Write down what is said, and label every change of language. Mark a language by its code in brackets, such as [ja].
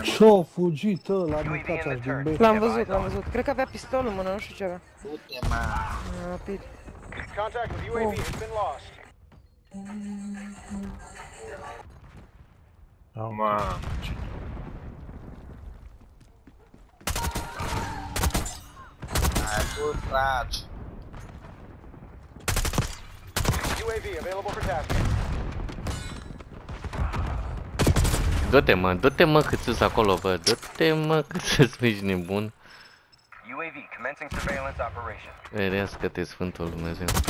[ro] Ce-o fugit ăla din fața din B? L-am văzut, l-am văzut. Cred că avea pistolul în mână, nu știu ce avea. Fute, mă. Rapid. [en] Contact with UAV has been lost. [ro] Mă. Ai, tu, frate. [en] UAV available for tasking. [ro] Du-te mă, du-te mă cât sus acolo, bă, du-te mă cât sus, mici nebun. [en] UAV commencing surveillance operation. [ro] Ferească-te, Sfântul Dumnezeu.